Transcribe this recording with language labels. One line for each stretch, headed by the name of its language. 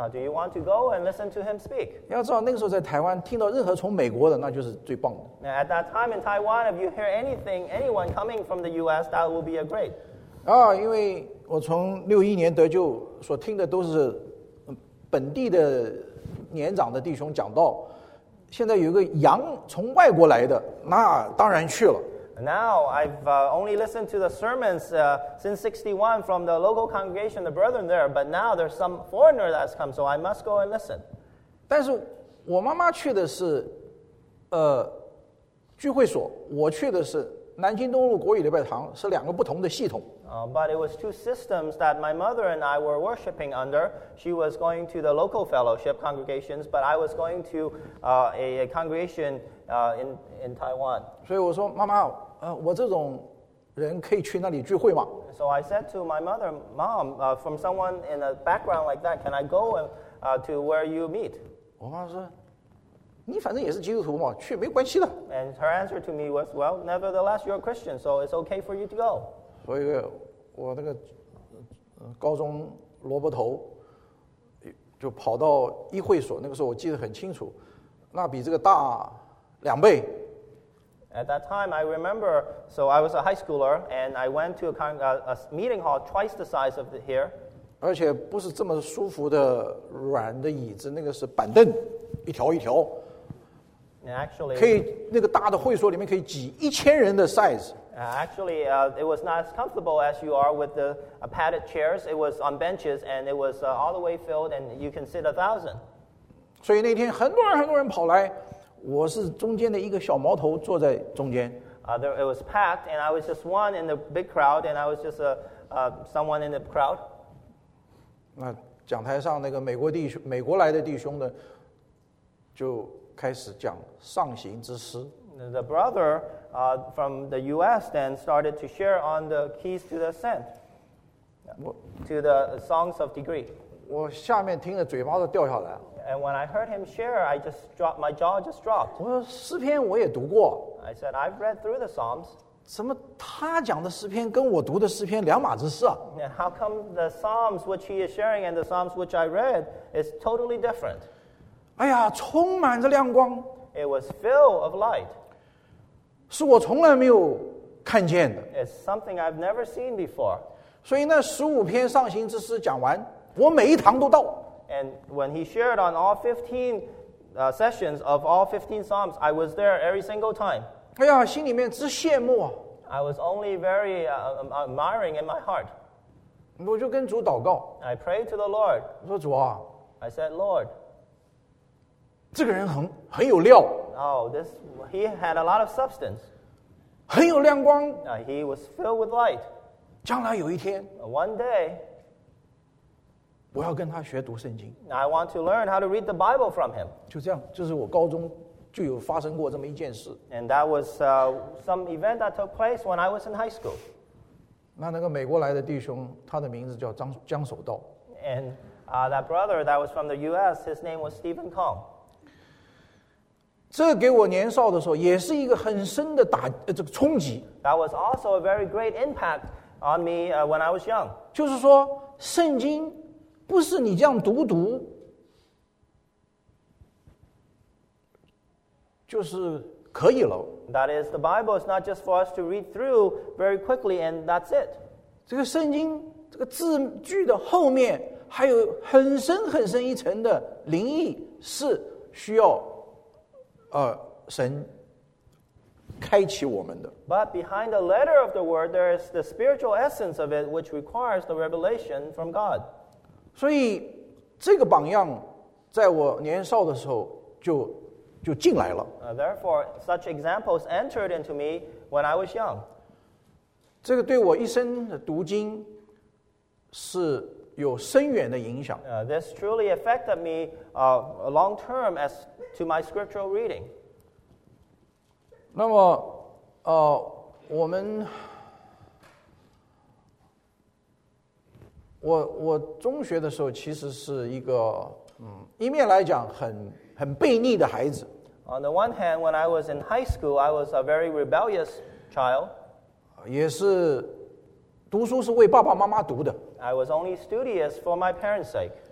English: Do you want to go and listen to him speak?
Chinese: 要知道那个时候在台湾听到任何从美国的那就是最棒的。
English: Now, at that time in Taiwan, if you hear anything, anyone coming from the US, that would be a great.
Chinese: 因为我从61年得救所听的都是本地的年长的弟兄讲道，现在有一个洋从外国来的，那当然去了。
English: Now I've only listened to the sermons since 61 from the local congregation, the brethren there, but now there's some foreigner that's come, so I must go and listen.
Chinese: 但是我妈妈去的是聚会所，我去的是南京东路国语礼拜堂，是两个不同的系统。
English: But it was two systems that my mother and I were worshiping under. She was going to the local fellowship congregations, but I was going to a congregation in Taiwan.
Chinese: 所以我说妈妈，我这种人可以去那里聚会吗？
English: So I said to my mother, Mom, from someone in a background like that, can I go to where you meet?
Chinese: 我妈说，你反正也是基督徒嘛，去没关系的。
English: And her answer to me was, well, nevertheless, you're a Christian, so it's okay for you to go.
Chinese: 所以我那个高中萝卜头就跑到议会所，那个时候我记得很清楚，那比这个大两倍。
English: At that time, I remember, so I was a high schooler, and I went to a meeting hall twice the size of here.
Chinese: 而且不是这么舒服的软的椅子，那个是板凳，一条一条。
English: Actually,
Chinese: 可以那个大的会所里面可以挤一千人的 size.
English: Actually, it was not as comfortable as you are with the padded chairs. It was on benches, and it was all the way filled, and you can sit 1,000.
Chinese: 所以那天很多人很多人跑来，我是中间的一个小毛头坐在中间。
English: It was packed, and I was just one in the big crowd, and I was just someone in the crowd.
Chinese: 那讲台上那个美国来的弟兄的，就开始讲上行之诗。
English: The brother from the U.S. then started to share on the keys to the ascent, to the songs of degree.
Chinese: 我下面听着嘴巴都掉下来了。
English: And when I heard him share, I just dropped, my jaw just dropped.
Chinese: 我说诗篇我也读过。
English: I said, I've read through the Psalms.
Chinese: 怎么他讲的诗篇跟我读的诗篇两码子事啊？
English: And how come the Psalms which he is sharing and the Psalms which I read is totally different?
Chinese: 哎呀，充满着亮光。
English: It was filled of light.
Chinese: 是我从来没有看见的。
English: It's something I've never seen before.
Chinese: 所以那十五篇上行之诗讲完，我每一堂都到。
English: And when he shared on all 15 sessions of all 15 Psalms, I was there every single time.
Chinese: 哎呀，心里面直羡慕啊。
English: I was only very admiring in my heart.
Chinese: 我就跟主祷告。
English: I prayed to the Lord.
Chinese: 我说主啊。
English: I said, Lord.
Chinese: 这个人很有料。
English: Oh, this, he had a lot of substance.
Chinese: 很有亮光。
English: He was filled with light.
Chinese: 将来有一天。
English: One day.
Chinese: 我要跟他学读圣经。
English: I want to learn how to read the Bible from him.
Chinese: 就这样，就是我高中就有发生过这么一件事。
English: And that was some event that took place when I was in high school.
Chinese: 那个美国来的弟兄，他的名字叫江守道。
English: And that brother that was from the U.S., his name was Stephen Kong.
Chinese: 这给我年少的时候也是一个很深的冲击。
English: That was also a very great impact on me when I was young.
Chinese: 就是说，圣经。不是你这样读就是可以了。
English: That is, the Bible is not just for us to read through very quickly and that's it.
Chinese: 这个圣经这个字句的后面还有很深很深一层的灵意是需要神开启我们的。
English: But behind the letter of the word, there is the spiritual essence of it which requires the revelation from God.
Chinese: 所以这个榜样在我年少的时候就进来了。
English: Therefore, such examples entered into me when I was young.
Chinese: 这个对我一生的读经是有深远的影响。
English: This truly affected me long term as to my scriptural reading.
Chinese: 那么我们我中学的时候其实是一个一面来讲很悖逆的孩子。
English: On the one hand, when I was in high school, I was a very rebellious child.
Chinese: 也是读书是为爸爸妈妈读的。
English: I was only studious for my parents' sake.